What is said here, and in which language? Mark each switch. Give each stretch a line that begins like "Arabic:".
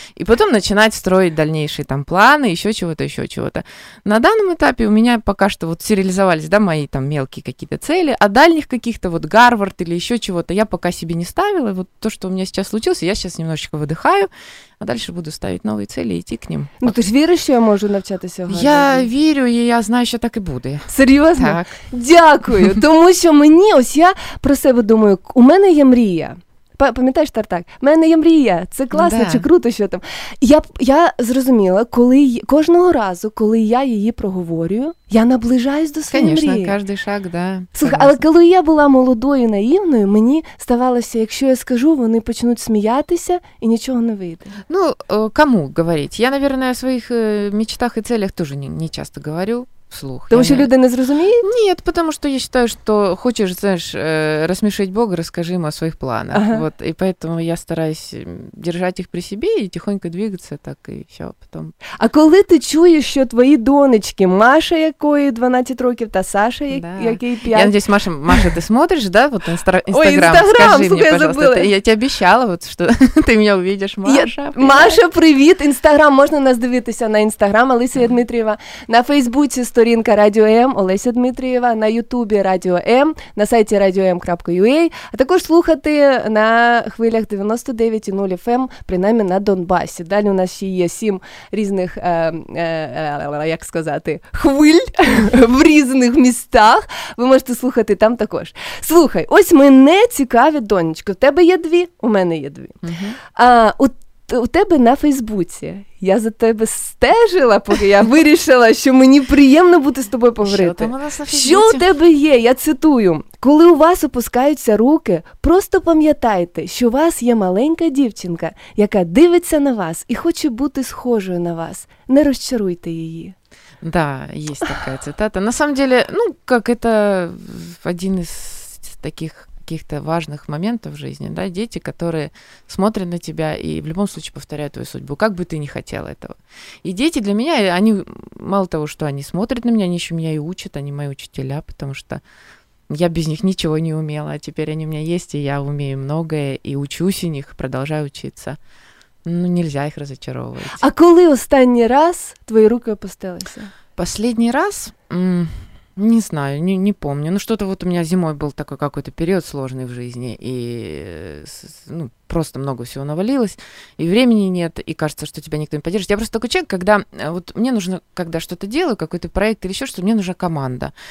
Russian: И потом начинать строить дальнейшие там планы, еще чего-то. На данном этапе у меня пока что вот сериализовались, да, мои там мелкие какие-то цели, а дальних каких-то вот Гарвард или еще чего-то я пока себе не ставила. Вот то, что у меня сейчас случилось, я сейчас немножечко выдыхаю, а дальше буду ставить новые цели и идти к ним.
Ukrainian: Ну, ты ж веришь, що я можу навчатися в гарвардах? Я вірю, і я знаю, що так і буде. Серйозно? Так. Дякую, тому що мені, ось я про себе думаю, у мене є мрія. Пам'ятаєш, Тартак? У мене є мрія. Це класно, да. Чи круто, що там. Я зрозуміла, коли кожного разу, коли я її проговорю, я наближаюсь до своєї
Russian: Конечно,
Ukrainian: мрії. Звісно, кожен шаг, да. Слухай, але коли я була молодою, наївною, мені здавалося, якщо я скажу, вони почнуть сміятися і нічого не вийде. Ну, кому говорити?
Russian: Я, наверное, о
Ukrainian: своїх
Russian: мечтах і целях теж не часто говорю.
Ukrainian: Слух.
Russian: Потому что люди не
Ukrainian: зрозуміють?
Russian: Нет, потому что я считаю, что хочешь, знаешь, рассмешить Бога, расскажи ему о своих планах. Ага. Вот, и поэтому я стараюсь держать их при себе и тихонько двигаться, так и все потом.
Ukrainian: А коли ты чуешь,
Russian: что твои
Ukrainian: донечки, Маша, якої 12 років, та Саша, да. Якій 5?
Russian: Я надеюсь, Маша, ты смотришь, да, вот Инстаграм? Ой, Инстаграм, скажи мне, я забыла. Я тебе обещала, вот, что ты меня увидишь, Маша. Привет.
Ukrainian: Маша, привет, Инстаграм, можно нас дивитися на Инстаграм, Алисія Дмитрієва, на Фейсбуці сторінка Радіо М, Олеся Дмитрієва, на Ютубі Радіо М, на сайті radio.m.ua, а також слухати на хвилях 99.0 FM, принаймні на Донбасі. Далі у нас ще є 7 різних, як сказати, хвиль в різних містах. Ви можете слухати там також. Слухай, ось мене цікавить, донечко, в тебе є 2, у мене є 2. У тебе на Фейсбуці, я за тебе стежила, поки я вирішила, що мені приємно бути з тобою поговорити. Що там у нас на Фейсбуці? Що у тебе є? Я цитую. Коли у вас опускаються руки, просто пам'ятайте, що у вас є маленька дівчинка, яка дивиться на вас і хоче бути схожою на вас. Не розчаруйте її. Да, є така цитата.
Russian: На самом деле,
Ukrainian: ну, як це один із таких...
Russian: каких-то важных моментов в жизни, да, дети, которые смотрят на тебя и в любом случае повторяют твою судьбу, как бы ты ни хотел этого. И дети для меня, они, мало того, что они смотрят на меня, они еще меня и учат, они мои учителя, потому что я без них ничего не умела, а теперь они у меня есть, и я умею многое, и учусь у них, продолжаю учиться. Ну, нельзя их разочаровывать.
Ukrainian: А коли останній раз твої руки опустилися?
Russian: Последний раз? Не знаю, не помню. Ну, что-то вот у меня зимой был такой какой-то период сложный в жизни, и ну, просто много всего навалилось, и времени нет, и кажется, что тебя никто не поддержит. Я просто такой человек, когда вот мне нужно, когда что-то делаю, какой-то проект или еще что-то, мне нужна команда.